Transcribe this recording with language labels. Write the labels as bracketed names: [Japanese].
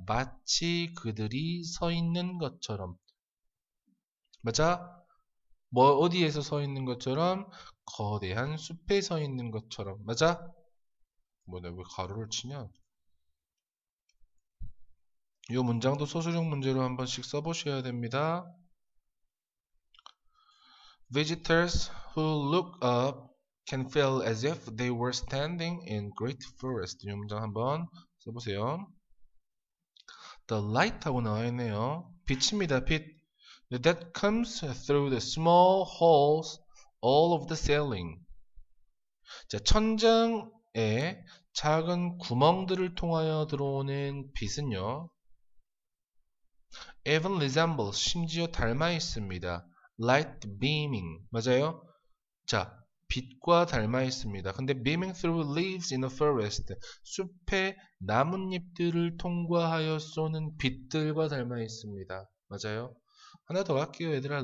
[Korean] 마치 그들이 서 있는 것처럼. 맞아? 뭐 어디에서 서 있는 것처럼? 거대한 숲에 서 있는 것처럼. 맞아? 뭐 내가 왜 가로를 치냐? 이 문장도 소설형 문제로 한 번씩 써보셔야 됩니다. [English] Visitors who look up can feel as if they were standing in great forest. [Korean] 이 문장 한번 써보세요. [English] The light [Korean] 하고 나와 있네요. 빛입니다, 빛. [English] That comes through the small holes all of the ceiling. [Korean] 자, 천장에 작은 구멍들을 통하여 들어오는 빛은요. [English] Even resembles, [Korean] 심지어 닮아 있습니다. [English] Light beaming, [Korean] 맞아요? 자, 빛과 닮아 있습니다. 근데 [English] beaming through leaves in a forest, [Korean] 숲의 나뭇잎들을 통과하여 쏘는 빛들과 닮아 있습니다. 맞아요? 하나 더 할게요, 얘들아.